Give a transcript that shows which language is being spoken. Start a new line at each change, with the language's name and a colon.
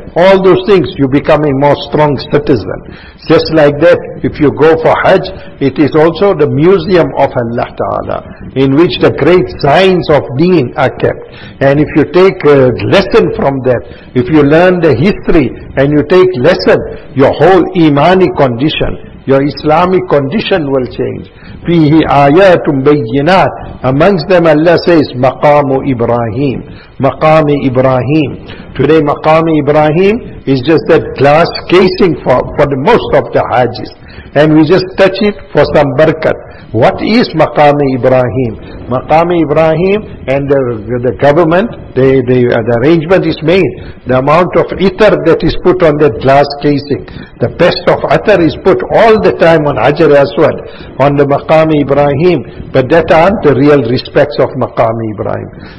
English: All those things, you become a more strong citizen. Just like that, if you go for Hajj, it is also the museum of Allah Ta'ala, in which the great signs of deen are kept. And if you take a lesson from that, if you learn the history and you take lesson, your whole imani condition, your Islamic condition will change.
Arabic: فِيهِ آيَاتٌ بَيِّنَاتٌ,
English: amongst them Allah says,
Arabic: مَقَامُ إِبْرَاهِيمُ, مَقَامِ إِبْرَاهِيمُ.
English: Today مَقَامِ إِبْرَاهِيمُ is just that glass casing for the most of the hajjis, and we just touch it for some barakat. What is مَقَامِ إِبْرَاهِيمُ? مَقَامِ إِبْرَاهِيمُ, and the government, the arrangement is made, the amount of itar that is put on that glass casing, the best of itar is put all the time on Hajar Aswad, on the مَقَامِ إِبْرَاهِيمُ, but that aren't the real respects of مَقَامِ إِبْرَاهِيمُ.